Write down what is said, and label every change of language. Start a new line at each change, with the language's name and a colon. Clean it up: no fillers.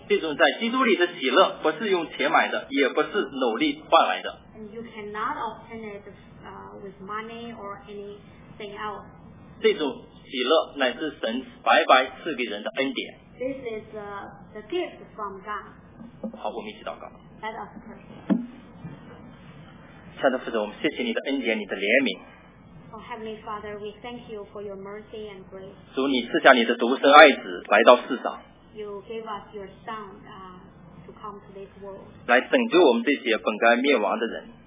Chinese: 这种在基督里的喜乐不是用钱买的，也不是努力换来的。
English: And you cannot obtain it with money or anything else.
Chinese: 这种喜乐乃是神白白赐给人的恩典。
English: This is the gift from God.
Chinese: 好，我们一起祷告。
English: Let us pray.
Chinese: 亲爱的父神，我们谢谢你的恩典，你的怜悯。
English: Oh, Heavenly Father, we thank you for your mercy and grace.
Chinese: 主，你赐下你的独生爱子来到世上。
English: You gave us your son, to come to this world.
Chinese: 来拯救我们这些本该灭亡的人。